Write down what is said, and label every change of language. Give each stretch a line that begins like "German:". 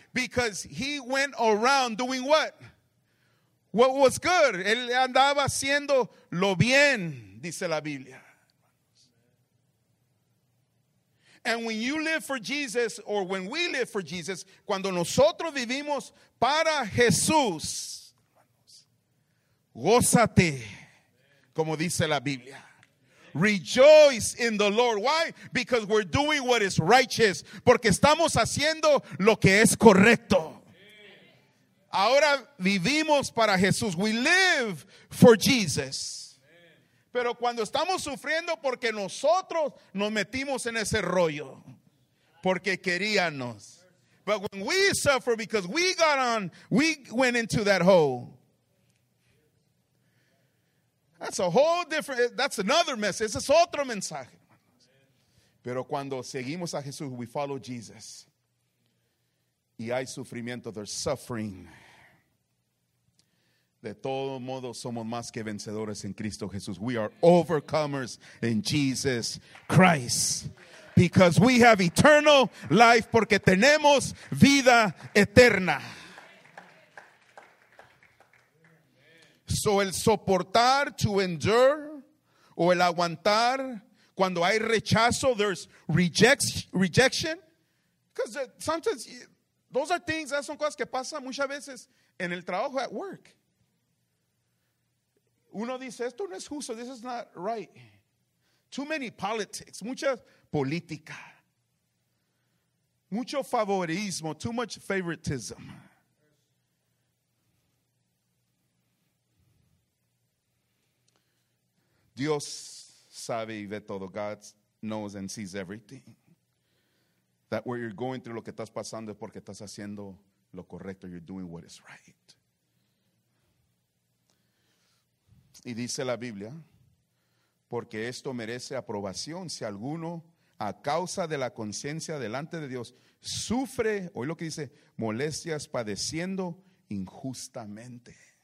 English: Because he went around doing what? What was good.
Spanish: Él andaba haciendo lo bien, dice la Biblia.
English: And when you live for Jesus, or when we live for Jesus,
Spanish: cuando nosotros vivimos para Jesús, gózate, como dice la Biblia.
English: Rejoice in the Lord. Why? Because we're doing what is righteous.
Spanish: Porque estamos haciendo lo que es correcto. Ahora vivimos para Jesús.
English: We live for Jesus.
Spanish: Pero cuando estamos sufriendo porque nosotros nos metimos en ese rollo, porque queríamos.
English: But when we suffer because we went into that hole. That's a whole different, that's another message.
Spanish: Ese es otro mensaje. Pero cuando seguimos a Jesús,
English: we follow Jesus.
Spanish: Y hay sufrimiento,
English: there's suffering.
Spanish: De todo modo, somos más que vencedores en Cristo Jesús.
English: We are overcomers in Jesus Christ. Because we have eternal life,
Spanish: porque tenemos vida eterna. So el soportar,
English: to endure,
Spanish: o el aguantar, cuando hay rechazo,
English: there's rejection. Because sometimes, those are things,
Spanish: esas son cosas que pasan muchas veces en el trabajo,
English: at work.
Spanish: Uno dice, esto no es justo,
English: this is not right. Too many politics,
Spanish: mucha política. Mucho favoritismo,
English: too much favoritism.
Spanish: Dios sabe y ve todo.
English: God knows and sees everything. That where you're going through,
Spanish: lo que estás pasando es porque estás haciendo lo correcto.
English: You're doing what is right.
Spanish: Y dice la Biblia, porque esto merece aprobación. Si alguno, a causa de la conciencia delante de Dios, sufre, oye lo que dice, molestias padeciendo injustamente.